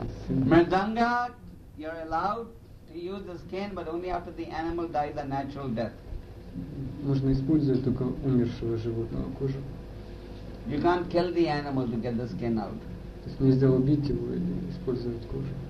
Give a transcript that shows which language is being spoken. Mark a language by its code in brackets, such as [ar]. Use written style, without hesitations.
[en] Mridanga, you're allowed to use the skin, but only after the animal dies a natural death. [ru] Можно использовать только умершего животного кожу. [en] You can't kill the animal to get the skin out. [ru] То есть нельзя убить его или использовать кожу.